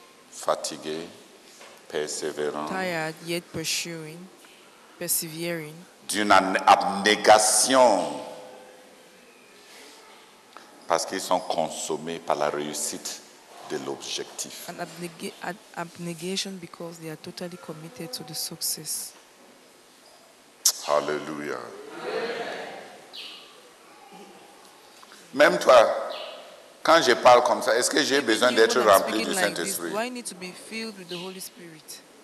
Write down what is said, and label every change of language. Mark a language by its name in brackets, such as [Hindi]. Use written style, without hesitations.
[French] Fatigués, persévérants. [English] Tired, yet pursuing, persevering. [French] D'une abnégation. Parce qu'ils sont consommés par la réussite de l'objectif. [English] An abnegation because they are totally committed to the success. Hallelujah. [French] Même toi, quand je parle comme ça, est-ce que j'ai besoin d'être rempli du Saint-Esprit? [English] Why need to be filled with the Holy Spirit?